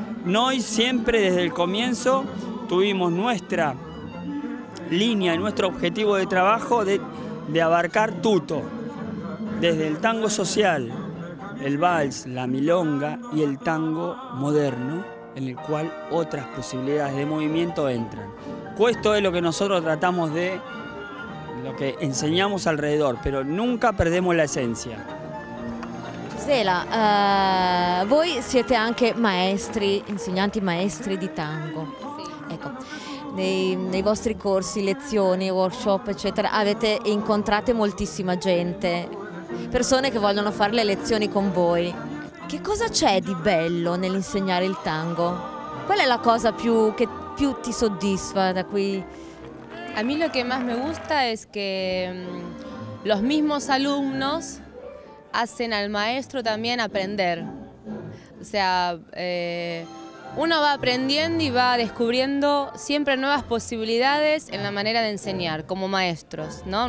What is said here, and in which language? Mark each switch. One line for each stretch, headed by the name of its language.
Italian: Noi
Spanish: siempre desde el comienzo tuvimos nuestra línea y nuestro objetivo de trabajo de abarcar
Italian: tutto,
Spanish: desde el tango social, el vals, la milonga y el tango moderno, en el cual otras posibilidades de movimiento entran. Esto es lo que nosotros tratamos de, lo que enseñamos alrededor, pero nunca perdemos la esencia.
Italian: Zela, voi siete anche maestri, insegnanti maestri di tango. Ecco, nei vostri corsi, lezioni, workshop, eccetera, avete incontrato moltissima gente, persone che vogliono fare le lezioni con voi. Che cosa c'è di bello nell'insegnare il tango? Qual è la cosa più ti soddisfa da qui?
Spanish: A mí lo que más me gusta es que los mismos alumnos hacen al maestro también aprender. O sea, uno va aprendiendo y va descubriendo siempre nuevas posibilidades en la manera de enseñar como maestros, ¿no?